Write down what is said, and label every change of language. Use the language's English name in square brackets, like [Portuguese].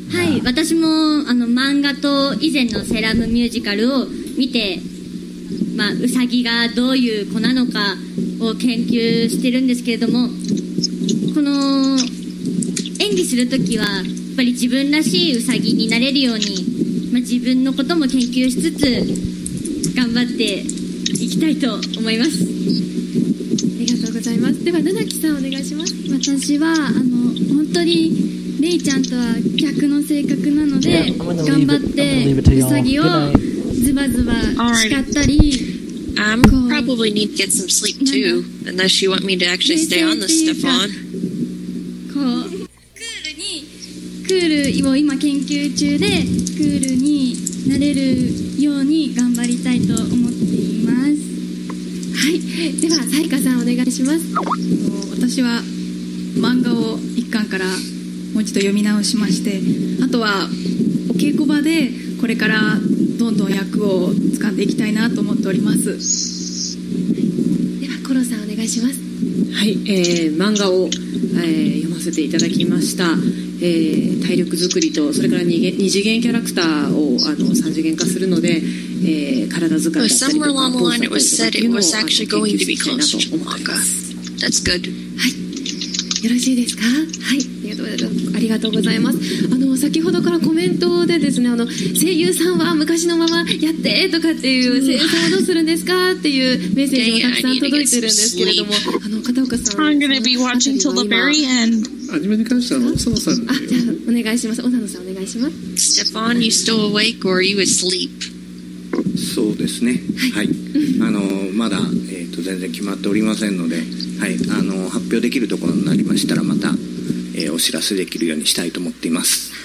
[Japanese] はい、私も漫画と以前のセラムミュージカルを見て、ウサギがどういう子なのかを研究してるんですけれども、この演技するときはやっぱり自分らしいウサギになれるように、自分のことも研究しつつ頑張っていきたいと思います。ありがとうございます。ではナナキさんお願いします。私は本当にレイちゃんとは逆の性格なので、頑張ってウサギをズバズバ叱ったり、 [English] I'm probably need to get some sleep too, unless you want me to actually stay on this, Stefan. [Japanese] こう、クールに、クールを今研究中で、クールになれるように頑張りたいと思っています。はい、では、サイカさんお願いします。私は漫画を一巻からもう一度読み直しまして、あとはお稽古場でこれからどんどん役を掴んでいきたいなと思っております。ではコロさんお願いします。はい、漫画を、読ませていただきました。体力作りと、それから二次元キャラクターを三次元化するので、体づくりだったりとか、ポーズだったりとかというのを研究していきたいなと思っています。 [English] That's good. [Japanese] はい、よろしいですか。はい、ありがとうございます。先ほどからコメントでですね、声優さんは昔のままやってとかっていう、声優さんはどうするんですかっていうメッセージもたくさん届いてるんですけれども、片岡さん、 [English] I'm going to be watching till the very end。 [Japanese] アニメに関しては小野さんで、じゃあお願いします。小野さんお願いします。 [English] Stefan, you still awake or you asleep? [Japanese] そうですね、はい、まだ、全然決まっておりませんので、はい、発表できるところになりましたらまたお知らせできるようにしたいと思っています。